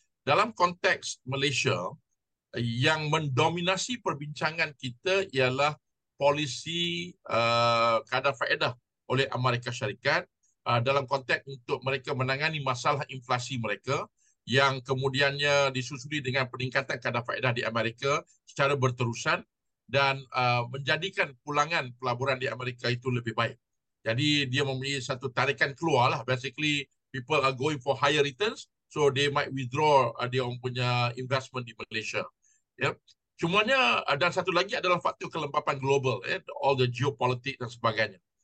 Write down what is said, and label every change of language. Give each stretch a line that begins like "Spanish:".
Malay: Dalam konteks Malaysia, yang mendominasi perbincangan kita ialah polisi kadar faedah oleh Amerika Syarikat dalam konteks untuk mereka menangani masalah inflasi mereka, yang kemudiannya disusuli dengan peningkatan kadar faedah di Amerika secara berterusan dan menjadikan pulangan pelaburan di Amerika itu lebih baik. Jadi dia mempunyai satu tarikan keluar lah.
English: Basically, people are going for higher returns, so they might withdraw
Malay: dia punya investment di Malaysia. Yep. Cumanya, dan satu lagi adalah faktor kelembapan global, all the geopolitik dan sebagainya.